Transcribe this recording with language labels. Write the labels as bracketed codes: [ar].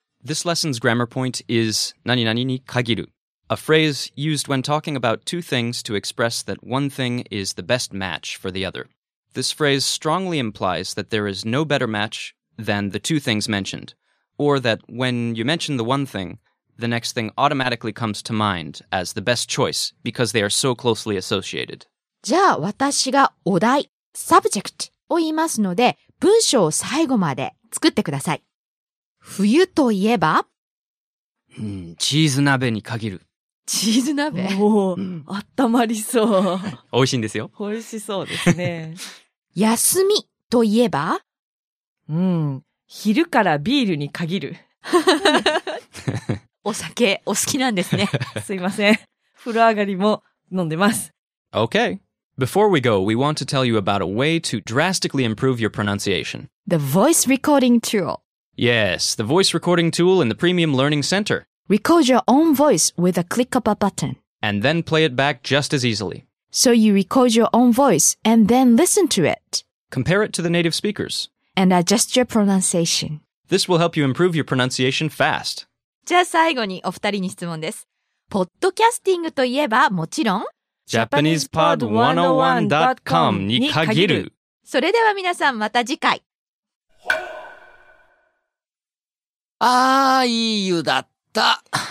[en] This lesson's grammar point is [ja] 何々に限る。 [en] A phrase used when talking about two things to express that one thing is the best match for the other. This phrase strongly implies that there is no better match than the two things mentioned, or that when you mention the one thing, the next thing automatically comes to mind as the best choice because they are so closely associated. [ja] じゃあ私がお題、subject を言いますので、文章を最後まで作ってください。冬といえば、チーズ鍋に限る。チーズ鍋？もう、あったまりそう。美味しいんですよ。美味しそうですね。休みといえば、昼からビールに限る。お酒、お好きなんですね。すいません。風呂上がりも飲んでます。 [en] Okay. Before we go, we want to tell you about a way to drastically improve your pronunciation. The voice recording tool. Yes, the voice recording tool in the Premium Learning Center. Record your own voice with a click of a button. And then play it back just as easily. So you record your own voice and then listen to it. Compare it to the native speakers. And adjust your pronunciation. This will help you improve your pronunciation fast. [ja] じゃあ最後にお二人に質問です。ポッドキャスティングといえばもちろん JapanesePod101.com に限る。それでは皆さんまた次回。ああ、いい湯だった。